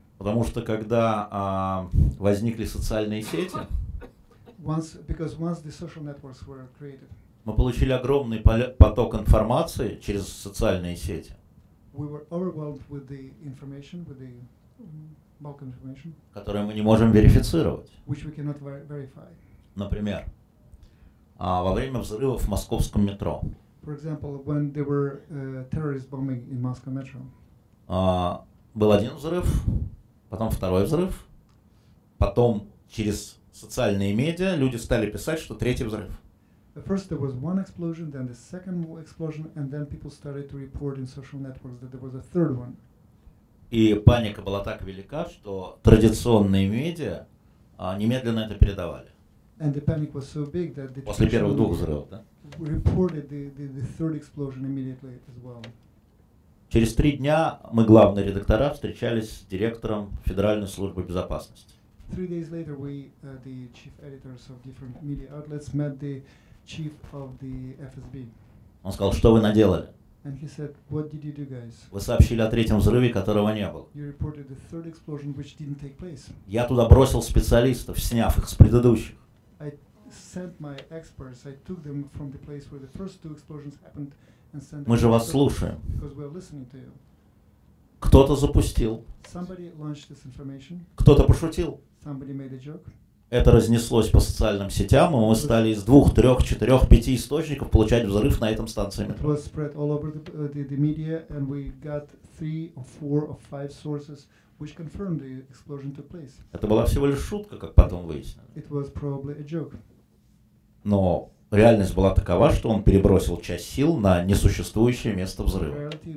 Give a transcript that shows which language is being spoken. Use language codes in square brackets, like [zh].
[ru] Потому что когда возникли социальные сети, [en] Because the social networks were created, [ru] мы получили огромный поток информации через социальные сети. [en] We were overwhelmed with the information, with the bulk information, [ru] которую мы не можем верифицировать. [en] Which we cannot verify. [ru] Например, во время взрыва в московском метро. [en] For example, when there were terrorist bombing in Moscow metro. [ru] Был один взрыв, потом второй взрыв, потом через социальные медиа, люди стали писать, что третий взрыв. [en] First there was one explosion, then the second explosion, and then people started to report in social networks that there was a third one. [ru] И паника была так велика, что традиционные медиа немедленно это передавали. [en] And the panic was so big that the [ru] после первых двух взрывов, да? [en] Reported the third explosion immediately as well. [ru] Через три дня мы, главные редактора, встречались с директором Федеральной службы безопасности. [en] 3 days later, we, the chief editors of different media outlets, met the chief of the FSB. [ru] Он сказал, что вы наделали? [en] And he said, what did you do, guys? [ru] Вы сообщили о третьем взрыве, которого не было. [en] You reported the third explosion, which didn't take place. [ru] Я туда бросил специалистов, сняв их с предыдущих. [en] I sent my experts. I took them from the place where the first two explosions happened and sent them. [ru] Мы же вас слушаем. [en] Because we are listening to you. [ru] Кто-то запустил. [en] Somebody launched this information. [ru] Кто-то пошутил. [en] Somebody made a joke. [ru] Это разнеслось по социальным сетям, и мы стали из 2, 3, 4, 5 источников получать взрыв на этом станции метро. [en] It was spread all over the media, and we got 3, 4, 5 sources, which confirmed the explosion took place. [ru] Это была всего лишь шутка, как потом выяснилось. [en] It was probably a joke. [ru] Но реальность была такова, что он перебросил часть сил на несуществующее место взрыва.